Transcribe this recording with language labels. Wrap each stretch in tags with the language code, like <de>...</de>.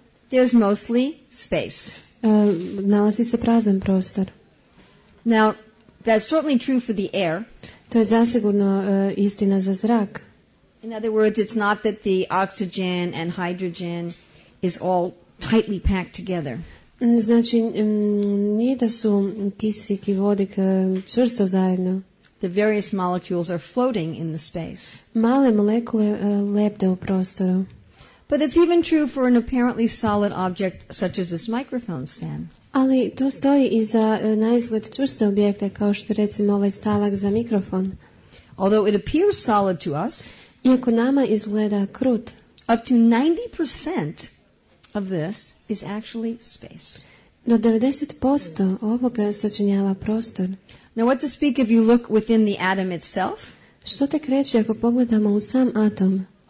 <en>there's mostly space.</en> <hr>Nalazi se prazan prostor.</hr> <en>Now, that's certainly true for the air.</en> <hr>To je zasigurno istina za zrak.</hr> <en>In other words, it's not that the oxygen and hydrogen is all tightly packed together.</en> <hr>Znači, nije da su kisik i vodik čvrsto zajedno.</hr> <en>The various molecules are floating in the space.</en> <hr>Male molekule lebde u prostoru.</hr> <en>But it's even true for an apparently solid object such as this microphone stand.</en> <hr>Ali to stoji i za naizgled čvrste objekte kao što recimo ovaj stalak za mikrofon.</hr> <en>Although it appears solid to us,</en> <hr>iako nama izgleda krut,</hr> <en>up to 90% of this is actually space.</en> <hr>Do 90% ovoga sačinjava prostor.</hr> <en>Now what to speak if you look within the atom itself?</en> <hr>Što tek reći ako pogledamo u sam atom?</hr>